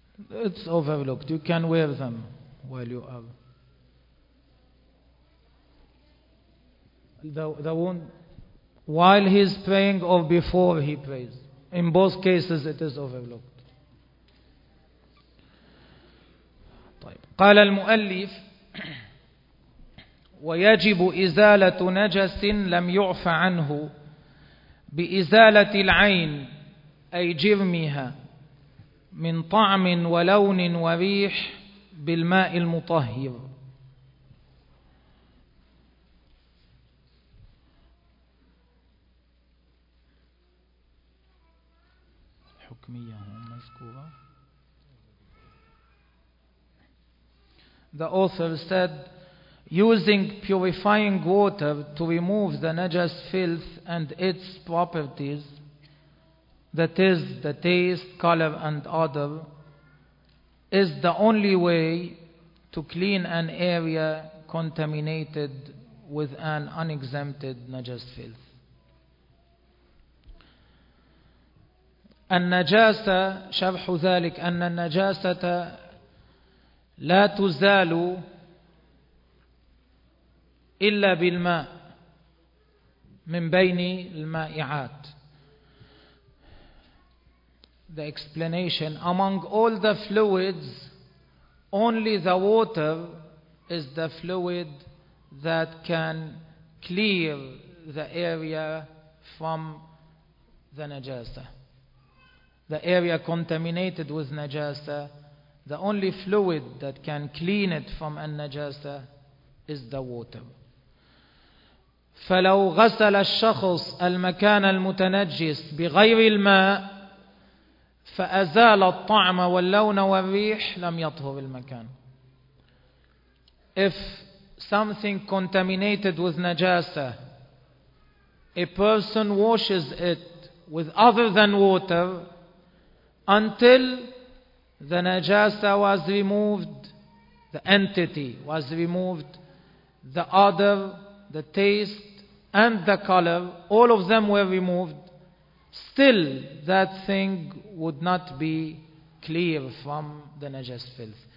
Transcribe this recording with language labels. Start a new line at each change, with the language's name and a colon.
English: It's overlooked. You can wear them while you are. The wound. While he is praying or before he prays. In both cases it is overlooked.
Arabic: طيب. قال المؤلف ويجب إزالة نجس لم يعف عنه بإزالة العين أي جرمها من طعم ولون وريح بالماء المطهر. الحكمية هم مذكورة.
English: The author said, using purifying water to remove the najas filth and its properties, that is the taste, color and odor, is the only way to clean an area contaminated with an unexempted najas filth.
Arabic: النجاسة شرح ذلك أن النجاسة لا تزال إلا بالماء من بين المائعات.
English: The explanation: among all the fluids, only the water is the fluid that can clear the area from the najasa. The area contaminated with najasa, the only fluid that can clean it from an najasa is the water.
Arabic: فلو غسل الشخص المكان المتنجس بغير الماء فأزال الطعم واللون والريح لم يطهر المكان.
English: If something contaminated with najasa, a person washes it with other than water until the najasa was removed, the entity was removed, the odor, the taste, and the color, all of them were removed, still that thing would not be clear from the najas filth.